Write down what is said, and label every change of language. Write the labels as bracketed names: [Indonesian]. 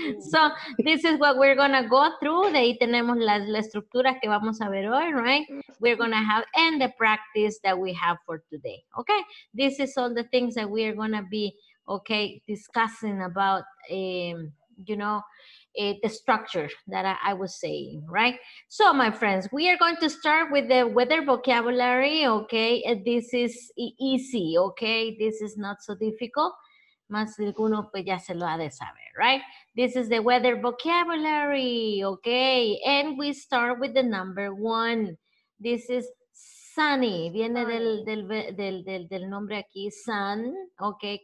[English] So, this is what we're going to go through. [Spanish] De ahí tenemos la estructura que vamos a ver hoy, right? [English] We're going to have, and the practice that we have for today. Okay? This is all the things that we're going to be, okay, discussing about, you know, the structure that I was saying, right? So, my friends, we are going to start with the weather vocabulary, okay? This is easy, okay? This is not so difficult. [Spanish] Más alguno, pues ya se lo ha de saber, right? [English] This is the weather vocabulary, okay? And we start with the number one. This is sunny. [Spanish] Viene del nombre aquí, sun, okay?